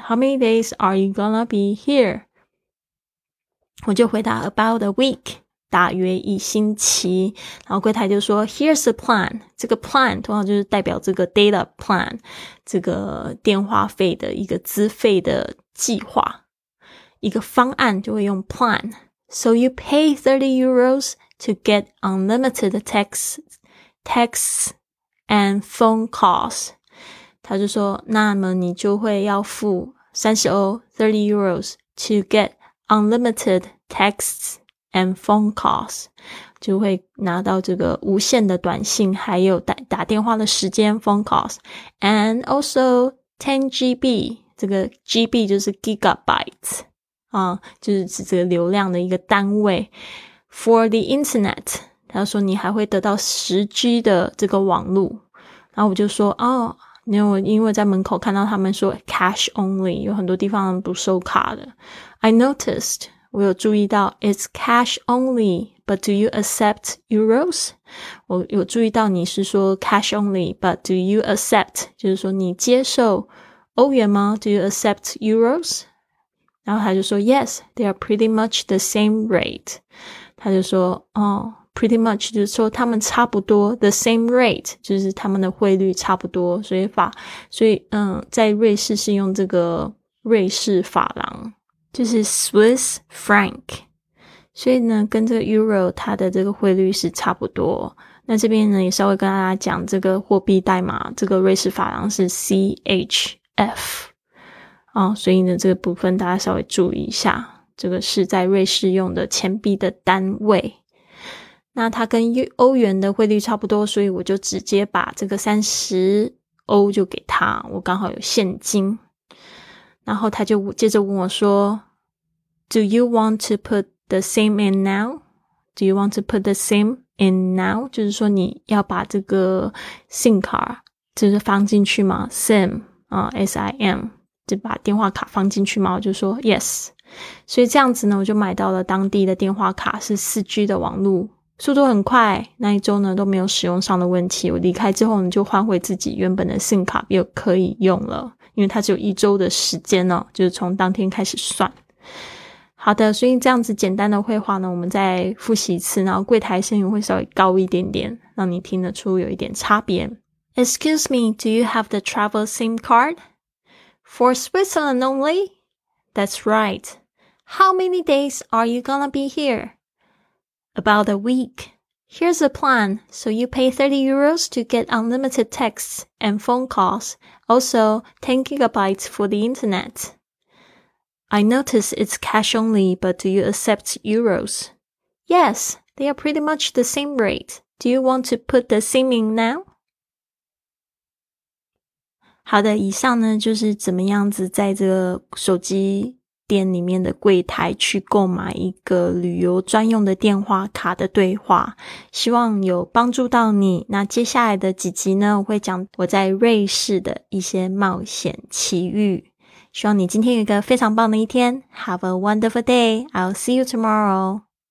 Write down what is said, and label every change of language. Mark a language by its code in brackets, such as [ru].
[en] How many days are you gonna be here? [zh] 我就回答 [en] about a week, [zh] 大约一星期。然后柜台就说 , [en] here's a plan. [zh] 这个 plan 通常就是代表这个 data plan。这个电话费的一个资费的计划一个方案就会用 plan。 [en] So you pay 30 euros to get unlimited texts and phone calls。 [zh] 他就说那么你就会要付 [en] 30 euros to get unlimited texts and phone calls， [zh] 就会拿到这个无限的短信还有打电话的时间 phone calls。 [en] And also [zh] 10GB， 这个 GB 就是 gigabytes、就是指这个流量的一个单位。 [en] For the internet， [zh] 他说你还会得到 10G 的这个网路。然后我就说哦，因为在门口看到他们说 [en] cash only， [zh] 有很多地方不收卡的。 [en] I noticed， [zh] 我有注意到 [en] It's cash only，But do you accept euros? [zh] 我有注意到你是说 [en] cash only, but do you accept? [zh] 就是说你接受欧元吗？ [en] Do you accept euros? [zh] 然后他就说 [en] yes, they are pretty much the same rate. [zh] 他就说、 [en] pretty much [zh] 就是说他们差不多 [en] the same rate, [zh] 就是他们的汇率差不多。所以在瑞士是用这个瑞士法郎，就是 [en] Swiss franc。 [zh] 所以呢跟这个 Euro 它的这个汇率是差不多。那这边呢也稍微跟大家讲这个货币代码，这个瑞士法郎是 CHF、所以呢这个部分大家稍微注意一下，这个是在瑞士用的钱币的单位。那它跟欧元的汇率差不多，所以我就直接把这个30欧就给他，我刚好有现金。 [en] 然后他就接着问我说 Do you want to putThe SIM in now? Do you want to put the SIM in now? [zh] 就是说你要把这个 SIM 卡就是放进去吗？ SIM、S-I-M 就把电话卡放进去吗？我就说 Yes。所以这样子呢，我就买到了当地的电话卡，是 4G 的网路，速度很快。那一周呢都没有使用上的问题，我离开之后呢就换回自己原本的 SIM 卡又可以用了，因为它只有一周的时间呢，就是从当天开始算。好的，所以这样子简单的会话呢，我们再复习一次，然后柜台声音会稍微高一点点，让你听得出有一点差别。 [en] Excuse me, do you have the travel SIM card? For Switzerland only? That's right. How many days are you gonna be here? About a week. Here's a plan. So you pay 30 euros to get unlimited texts and phone calls. Also, 10 gigabytes for the internet. I notice it's cash only, but do you accept euros? Yes, they are pretty much the same rate. Do you want to put the SIM in now? [zh] 好的，以上呢就是怎么样子在这个手机店里面的柜台去购买一个旅游专用的电话卡的对话，希望有帮助到你。那接下来的几集呢，我会讲我在瑞士的一些冒险奇遇。希望你今天有一个非常棒的一天。 [en] Have a wonderful day. I'll see you tomorrow.